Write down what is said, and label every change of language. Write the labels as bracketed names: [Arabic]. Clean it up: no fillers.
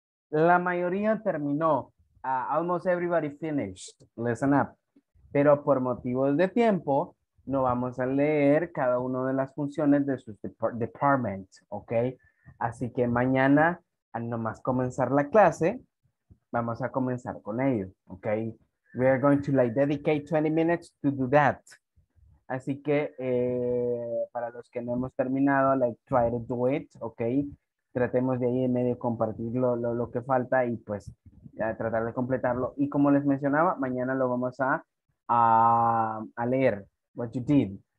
[Spanish] La mayoría terminó. [English] Almost everybody finished. Listen up. [Spanish] Pero por motivos de tiempo, no vamos a leer cada una de las funciones de sus departments, ¿ok? Así que mañana, al nomás comenzar la clase, vamos a comenzar con ello, ¿ok? [English] We are going to like dedicate 20 minutes to do that. [Spanish] Así que para los que no hemos terminado, [English] like try to do it, [Spanish] ¿ok? Tratemos de ahí en medio compartir lo que falta y pues ya tratar de completarlo. Y como les mencionaba, mañana lo vamos a leer. [English] What you did.